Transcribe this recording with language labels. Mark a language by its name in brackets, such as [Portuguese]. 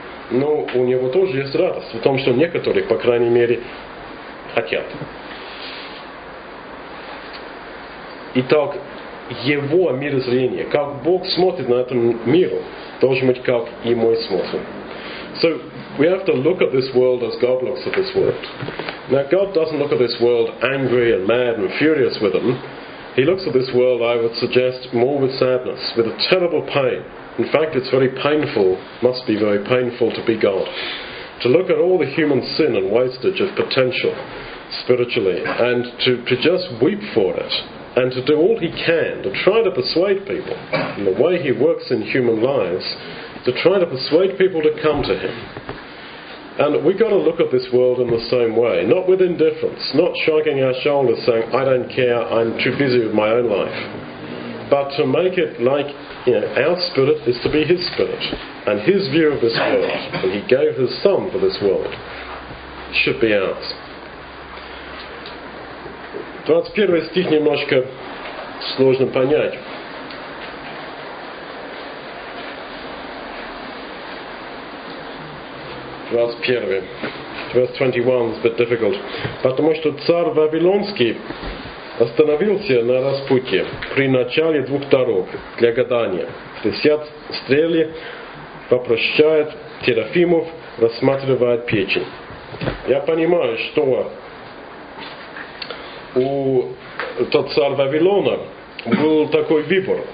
[Russian] Но у него тоже есть радость в том, что некоторые, по крайней мере, хотят. Итак, его мирозрение, как Бог смотрит на этот мир, должен быть как и мой смысл. [English] So, we have to look at this world as God looks at this world. Now, God doesn't look at this world angry and mad and furious with them. He looks at this world, I would suggest, more with sadness, with a terrible pain. In fact, it's very painful, must be very painful to be God. To look at all the human sin and wastage of potential spiritually and to just weep for it and to do all he can to try to persuade people in the way he works in human lives, to try to persuade people to come to him. And we've got to look at this world in the same way, not with indifference, not shrugging our shoulders saying, I don't care, I'm too busy with my own life. But to make it like, you know, our spirit is to be his spirit. And his view of this world, and he gave his son for this world, should be ours. [Russian] 21 стих немножко сложно понять. [English] Verse 21 is a bit difficult. [Russian] Потому что царь Вавилонский остановился на распутье при начале двух дорог для гадания. Трясят стрели, попрощает терафимов, рассматривает печень. Я понимаю, что у царя Вавилона был такой выбор.